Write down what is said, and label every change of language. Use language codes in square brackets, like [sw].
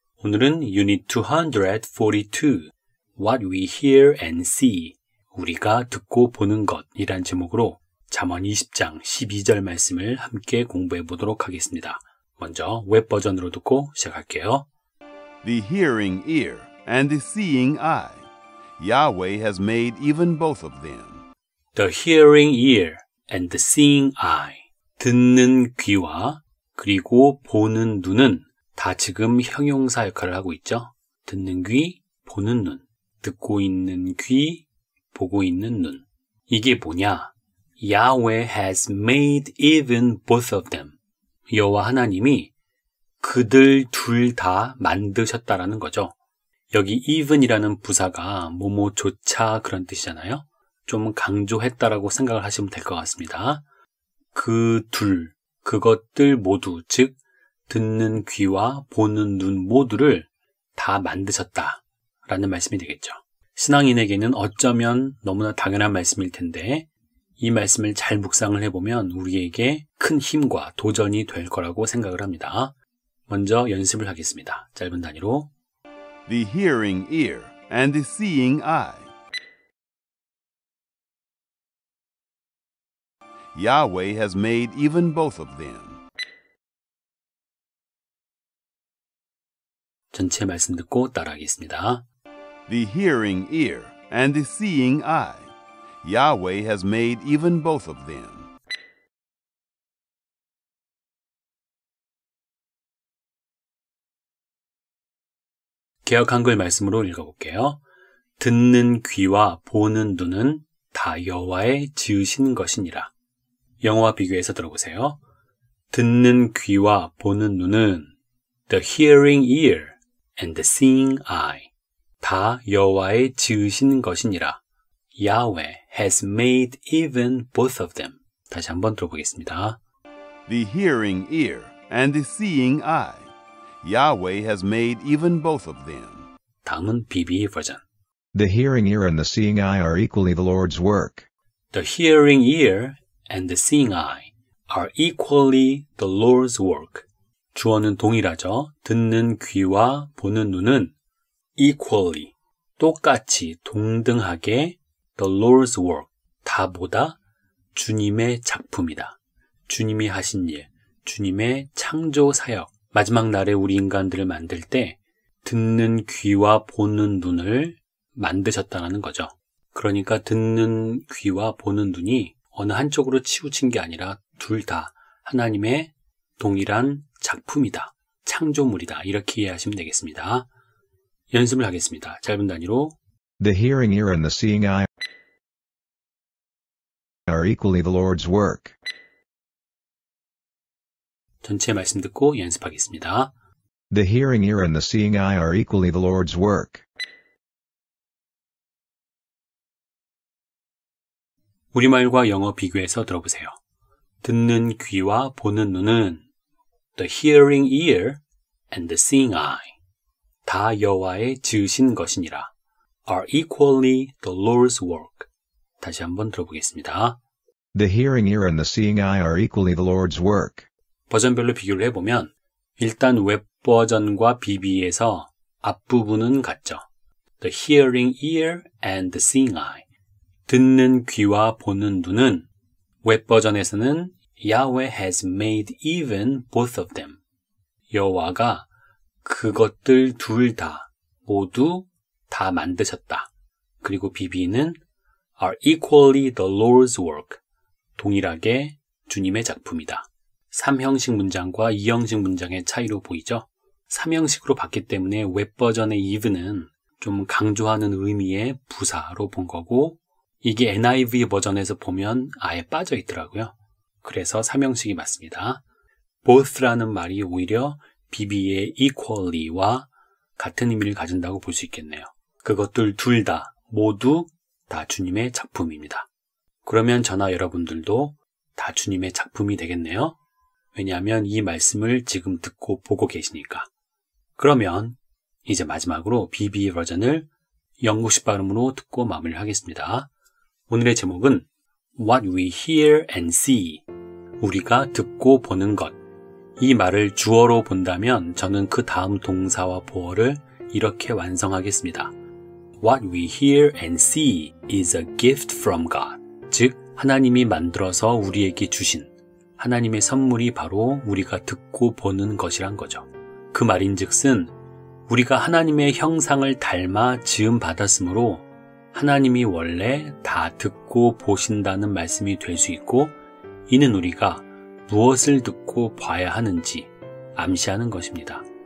[ko] 오늘은 Unit 242, [en] What We Hear and See, [ko] 우리가 듣고 보는 것이란 제목으로 잠언 20장 12절 말씀을 함께 공부해 보도록 하겠습니다. 먼저 웹버전으로 듣고 시작할게요. [en] The hearing ear and the seeing eye. Yahweh has made even both of them. The hearing ear and the seeing eye. [ko] 듣는 귀와 그리고 보는 눈은 다 지금 형용사 역할을 하고 있죠. 듣는 귀, 보는 눈. 듣고 있는 귀, 보고 있는 눈. 이게 뭐냐? [en] Yahweh has made even both of them. [ko] 여호와 하나님이 그들 둘 다 만드셨다라는 거죠. 여기 even이라는 부사가 뭐뭐조차 그런 뜻이잖아요. 좀 강조했다라고 생각을 하시면 될 것 같습니다. 그 둘, 그것들 모두, 즉 듣는 귀와 보는 눈 모두를 다 만드셨다라는 말씀이 되겠죠. 신앙인에게는 어쩌면 너무나 당연한 말씀일 텐데 이 말씀을 잘 묵상을 해보면 우리에게 큰 힘과 도전이 될 거라고 생각을 합니다. 먼저 연습을 하겠습니다. 짧은 단위로 [en] The hearing ear and the seeing eye. Yahweh has made even both of them. [ko] 전체 말씀 듣고 따라하겠습니다. [en] The hearing ear and the seeing eye. Yahweh has made even both of them. [ko] 개역 한글 말씀으로 읽어볼게요. 듣는 귀와 보는 눈은 다 여호와의 지으신 것이니라. 영어와 비교해서 들어보세요. 듣는 귀와 보는 눈은 [en] The hearing ear and the seeing eye [ko] 다 여호와의 지으신 것이니라. [en] Yahweh has made even both of them. [ko] 다시 한번 들어보겠습니다. [en] The hearing ear and the seeing eye Yahweh has made even both of them. [ko] 다음은 BB 버전. [en] The hearing ear and the seeing eye are equally the Lord's work. The hearing ear and the seeing eye are equally the Lord's work. [ko] 주어는 동일하죠. 듣는 귀와 보는 눈은 equally, 똑같이 동등하게 [en] the Lord's work, [ko] 다 보다 주님의 작품이다. 주님이 하신 일, 주님의 창조 사역. 마지막 날에 우리 인간들을 만들 때 듣는 귀와 보는 눈을 만드셨다는 거죠. 그러니까 듣는 귀와 보는 눈이 어느 한쪽으로 치우친 게 아니라 둘 다 하나님의 동일한 작품이다. 창조물이다. 이렇게 이해하시면 되겠습니다. 연습을 하겠습니다. 짧은 단위로 [en] The hearing ear and the seeing eye are equally the Lord's work. [ko] 전체 말씀 듣고 연습하겠습니다. [en] The hearing ear and the seeing eye are equally the Lord's work. [ko] 우리말과 영어 비교해서 들어보세요. 듣는 귀와 보는 눈은 [en] The hearing ear and the seeing eye [ko] 다 여호와의 지으신 것이니라 [en] are equally the Lord's work. [ko] 다시 한번 들어보겠습니다. [en] The hearing ear and the seeing eye are equally the Lord's work. [ko] 버전별로 비교를 해보면 일단 웹버전과 BB에서 앞부분은 같죠. [en] The hearing ear and the seeing eye. [ko] 듣는 귀와 보는 눈은 웹버전에서는 [en] Yahweh has made even both of them. [ko] 여호와가 그것들 둘 다 모두 다 만드셨다. 그리고 BB는 [en] are equally the Lord's work. [ko] 동일하게 주님의 작품이다. 3형식 문장과 2형식 문장의 차이로 보이죠? 3형식으로 봤기 때문에 웹버전의 even은 좀 강조하는 의미의 부사로 본 거고 이게 NIV 버전에서 보면 아예 빠져 있더라고요. 그래서 3형식이 맞습니다. both라는 말이 오히려 BB의 equally와 같은 의미를 가진다고 볼 수 있겠네요. 그것들 둘 다 모두 다 주님의 작품입니다. 그러면 저나 여러분들도 다 주님의 작품이 되겠네요. 왜냐하면 이 말씀을 지금 듣고 보고 계시니까. 그러면 이제 마지막으로 BB 버전을 영국식 발음으로 듣고 마무리를 하겠습니다. 오늘의 제목은 [en] What we hear and see. [ko] 우리가 듣고 보는 것. 이 말을 주어로 본다면 저는 그 다음 동사와 보어를 이렇게 완성하겠습니다. [en] What we hear and see is a gift from God. [ko] 즉, 하나님이 만들어서 우리에게 주신 하나님의 선물이 바로 우리가 듣고 보는 것이란 거죠. 그 말인즉슨 우리가 하나님의 형상을 닮아 지음 받았으므로 하나님이 원래 다 듣고 보신다는 말씀이 될 수 있고 이는 우리가 무엇을 듣고 봐야 하는지 암시하는 것입니다.